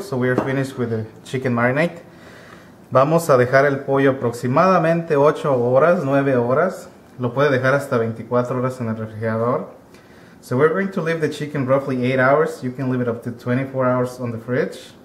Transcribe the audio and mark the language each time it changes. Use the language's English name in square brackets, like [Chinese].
[English] So we are finished with the chicken marinade. [Spanish] Vamos a dejar el pollo aproximadamente 8 horas, 9 horas. Lo puede dejar hasta 24 horas en el refrigerador. [English] So we're going to leave the chicken roughly 8 hours. You can leave it up to 24 hours on the fridge.